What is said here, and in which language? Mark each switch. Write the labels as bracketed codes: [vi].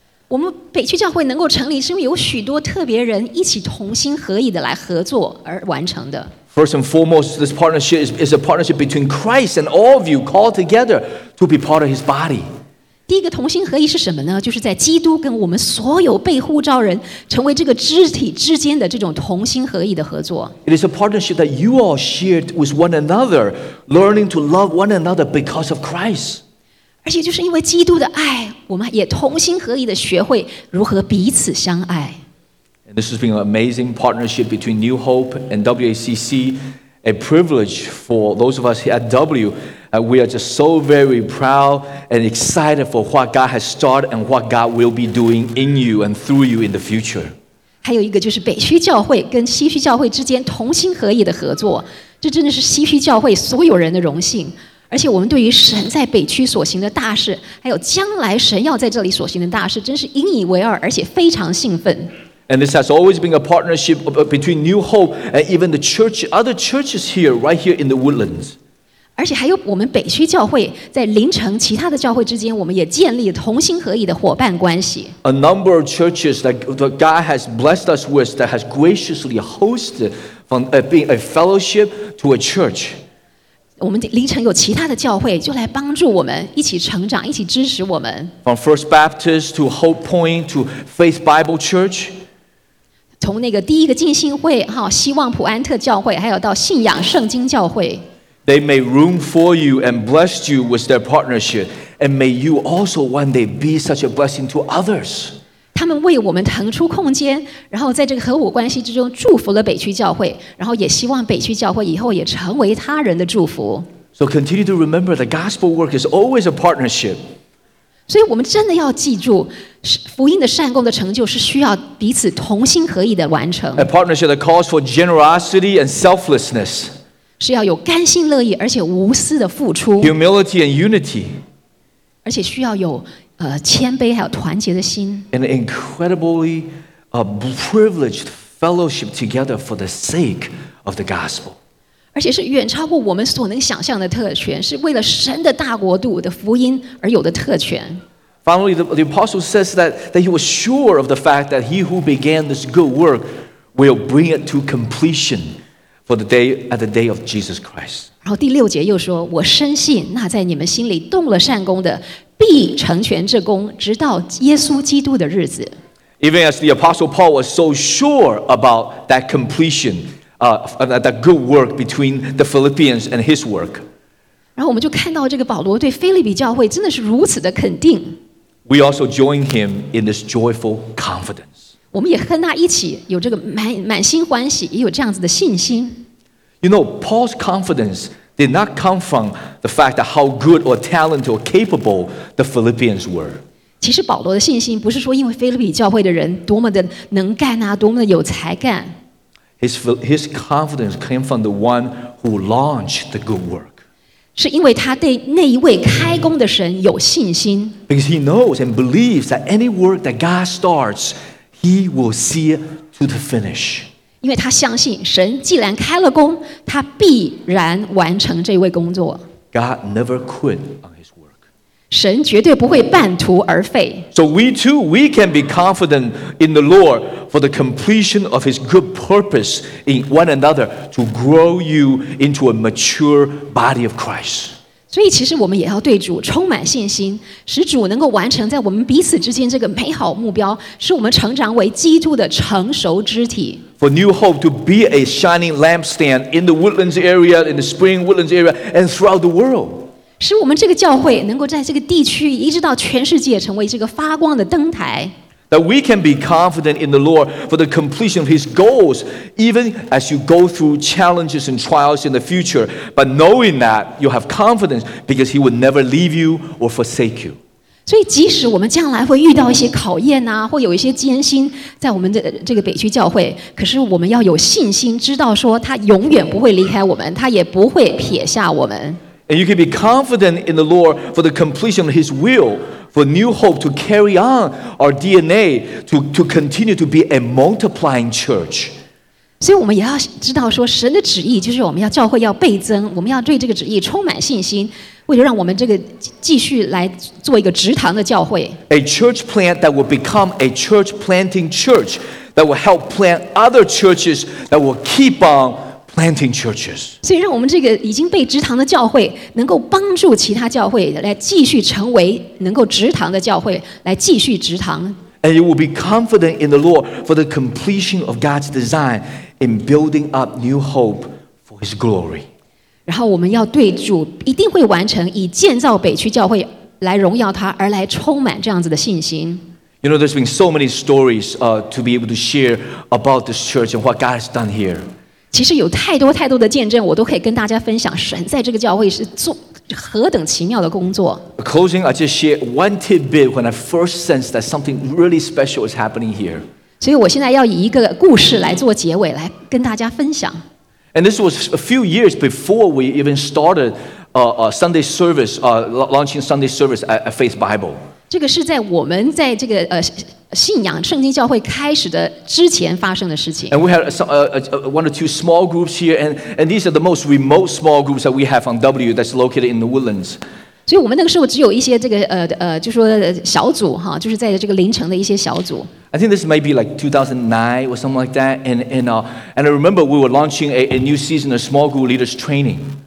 [zh] 我们北区教会能够成立，是因为有许多特别人一起同心合意的来合作而完成的。 [en] First and foremost, this partnership is a partnership between Christ and all of you called together to be part of His body. [zh] 第一个同心合意是什么呢？就是在基督跟我们所有被呼召人成为这个肢体之间的这种同心合意的合作。 [en] It is a partnership that you all shared with one another, learning to love one another because of Christ. [zh] 而且就是因为基督的爱，我们也同心合意的学会如何彼此相爱。 [en] This has been an amazing partnership between New Hope and WACC, a privilege for those of us here at W. We are just so very proud and excited for what God has started and what God will be doing in you and through you in the future. [zh] 还有一个就是北区教会跟西区教会之间同心合意的合作，这真的是西区教会所有人的荣幸。而且我们对于神在北区所行的大事，还有将来神要在这里所行的大事，真是引以为傲，而且非常兴奋。 [en] And this has always been a partnership between New Hope and even the church, other churches here, right here in the Woodlands. [zh] 而且还有我们北区教会在临城其他的教会之间，我们也建立同心合意的伙伴关系。 [en] A number of churches that God has blessed us with that has graciously hosted from being a fellowship to a church. [zh] 我们临城有其他的教会就来帮助我们，一起成长，一起支持我们。 [en] From First Baptist to Hope Point to Faith Bible Church. [zh] 从那个第一个浸信会，哈，希望普安特教会，还有到信仰圣经教会。 [en] They made room for you and blessed you with their partnership, and may you also one day be such a blessing to others. [zh] 他们为我们腾出空间，然后在这个合伙关系之中祝福了北区教会，然后也希望北区教会以后也成为他人的祝福。 [en] So continue to remember the gospel work is always a partnership. [zh] 所以我们真的要记住，福音的善工的成就是需要彼此同心合意的完成。 [en] A partnership that calls for generosity and selflessness. [zh] 是要有甘心乐意而且无私的付出。 [en] Humility and unity. [zh] 而且需要有谦卑还有团结的心。 [en] An incredibly privileged fellowship together for the sake of the gospel. [zh] 而且是远超过我们所能想象的特权，是为了神的大国度的福音而有的特权。 [en] Finally, the apostle says that he was sure of the fact that he who began this good work will bring it to completion for the day at the day of Jesus Christ. [zh] 然后第六节又说：“我深信那在你们心里动了善工的，必成全这工，直到耶稣基督的日子。” [en] Even as the apostle Paul was so sure about that completion. That good work between the Philippians and his work. [zh] 然后我们就看到这个保罗对腓立比教会真的是如此的肯定。 [en] We also join him in this joyful confidence. [zh] 我们也和他一起有这个满心欢喜，也有这样子的信心。 [en] You know, Paul's confidence, did not come from the fact that how good or talented or capable the Philippians were. [zh] 其实保罗的信心不是说因为腓立比教会的人多么的能干啊，多么的有才干。 [en] His confidence came from the one who launched the good work. [zh] 是因为他对那一位开工的神有信心。 [en] Because he knows and believes that any work that God starts, he will see it to the finish. [zh] 因为他相信神既然开了工，他必然完成这位工作。 [en] God never quit on his work. [zh] 神绝对不会半途而废。 [en] So we too, we can be confident in the Lord for the completion of his good purpose in one another to grow you into a mature body of Christ. [zh] 所以其实我们也要对主充满信心，使主能够完成在我们彼此之间这个美好目标，使我们成长为基督的成熟肢体。 [en] For New Hope to be a shining lampstand in the Woodlands area, in the Spring Woodlands area, and throughout the world. [zh] 使我们这个教会能够在这个地区一直到全世界成为这个发光的灯台。 [en] That we can be confident in the Lord for the completion of His goals, even as you go through challenges and trials in the future, but knowing that you have confidence because He will never leave you or forsake you. [zh] 所以即使我们将来会遇到一些考验啊，或有一些艰辛在我们的这个北区教会，可是我们要有信心知道说他永远不会离开我们，他也不会撇下我们。 [en] And you can be confident in the Lord for the completion of his will for new hope to carry on our DNA to continue to be a multiplying church. [zh] 所以我们也要知道说神的旨意就是我们要教会要倍增，我们要对这个旨意充满信心，为了让我们这个继续来做一个植堂的教会。 [en] A church plant that will become a church planting church that will help plant other churches that will keep on planting churches. [zh] 所以让我们这个已经被植堂的教会能够帮助其他教会来继续成为能够植堂的教会，来继续植堂。 [en] And you will be confident in the Lord for the completion of God's design in building up new hope for his glory. [zh] 然后我们要对主一定会完成以建造北区教会来荣耀他而来充满这样子的信心。 [en] You know, there's been so many stories to be able to share about this church and what God has done here. [zh] 其实有太多太多的见证我都可以跟大家分享神在这个教会是做何等奇妙的工作。 [en] Closing, I just share one tidbit when I first sensed that something really special is happening here. [zh] 所以我现在要以一个故事来做结尾来跟大家分享。 [en] And this was a few years before we even started Sunday service, launching Sunday service at Faith Bible. [zh] 这个是在我们在这个信仰圣经教会开始的之前发生的事情。 [en] And we had one or two small groups here, and these are the most remote small groups that we have on W that's located in the Woodlands. [zh] 所以我们那个时候只有一些这个就说小组哈，就是在这个临城的一些小组。 [en] I think this may be like 2009 or something like that, and I remember we were launching a new season of small group leaders training.